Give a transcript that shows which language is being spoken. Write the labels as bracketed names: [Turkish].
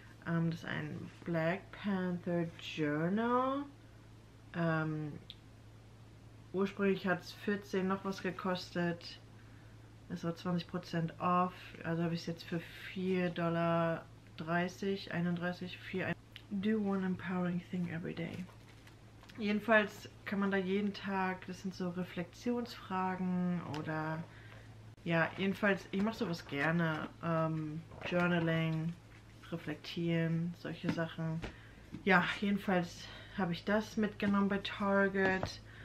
[German] Das ist ein Black Panther Journal. Ursprünglich hat es 14 noch was gekostet. Es war 20% off, also habe ich es jetzt für 4,30 Dollar, 31, 4,31. [English] Do one empowering thing every day. [German] Jedenfalls kann man da jeden Tag, das sind so Reflexionsfragen oder ja, jedenfalls, ich mache sowas gerne. Journaling, reflektieren, solche Sachen. Ja, jedenfalls habe ich das mitgenommen bei Target.